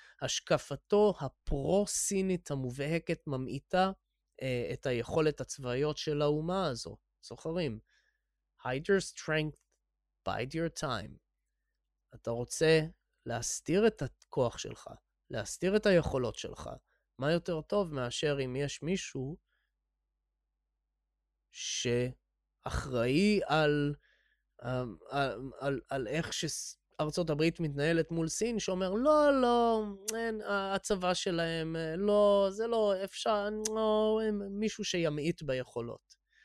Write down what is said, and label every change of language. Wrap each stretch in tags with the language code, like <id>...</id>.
<he>השקפתו הפרו-סינית המובהקת ממעיטה את היכולת הצבאיות של האומה הזו. זוכרים?</he> <en>Hide your strength, bide your time.</en> <he>אתה רוצה להסתיר את הכוח שלך, להסתיר את היכולות שלך. מה יותר טוב מאשר אם יש מישהו שאחראי על, על, על, על איך שארצות הברית מתנהלת מול סין, שאומר, לא, לא, אין, הצבא שלהם, לא, זה לא אפשר, לא, הם מישהו שימעיט ביכולות.</he>